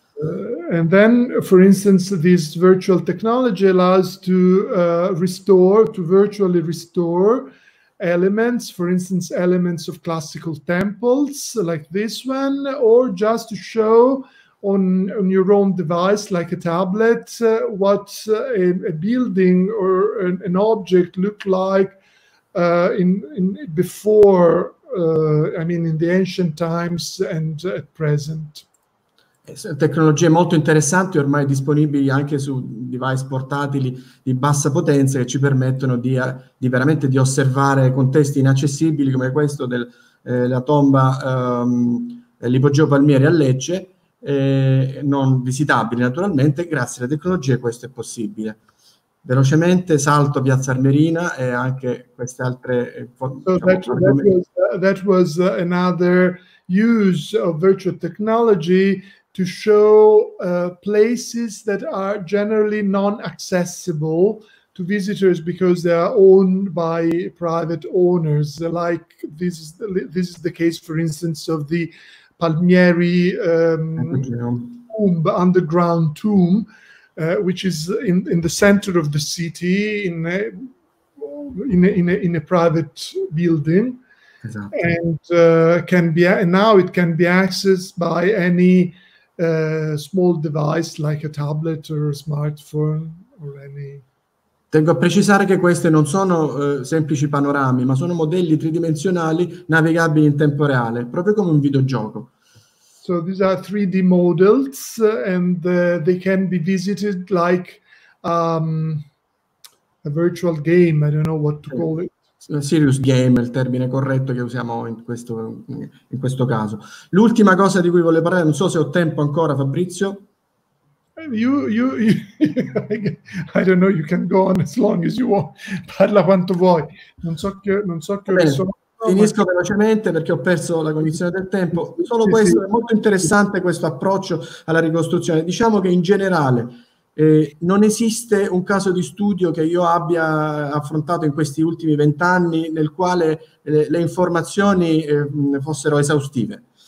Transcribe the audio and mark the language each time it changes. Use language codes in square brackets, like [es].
[en] And then, for instance, this virtual technology allows to virtually restore elements, for instance, elements of classical temples like this one, or just to show on your own device, like a tablet, what a building or an object looked like in the ancient times and at present. [it] Tecnologie molto interessanti ormai disponibili anche su device portatili di bassa potenza che ci permettono di veramente osservare contesti inaccessibili come questo della tomba dell'Ipogeo Palmieri a Lecce, non visitabile naturalmente, grazie alle tecnologie questo è possibile. Velocemente salto Piazza Armerina e anche queste altre... [en] That was another use of virtual technology to show places that are generally non-accessible to visitors because they are owned by private owners, like this is the case, for instance, of the Palmieri tomb, underground tomb, which is in the center of the city in a private building. Exactly. And now it can be accessed by any small device like a tablet or a smartphone or any. [it] Tengo a precisare che queste non sono semplici panorami, ma sono modelli tridimensionali navigabili in tempo reale, proprio come un videogioco. [en] So these are 3D models and they can be visited like a virtual game, I don't know what to call it. [it] Serious game è il termine corretto che usiamo in questo caso. L'ultima cosa di cui volevo parlare, non so se ho tempo ancora, Fabrizio. [en] I don't know, you can go on as long as you want. [it] Parla quanto vuoi. Non so che bene, finisco velocemente perché ho perso la cognizione del tempo. Solo sì, questo sì. È molto interessante questo approccio alla ricostruzione. Diciamo che in generale non esiste un caso di studio che io abbia affrontato in questi ultimi 20 anni nel quale le informazioni fossero esaustive.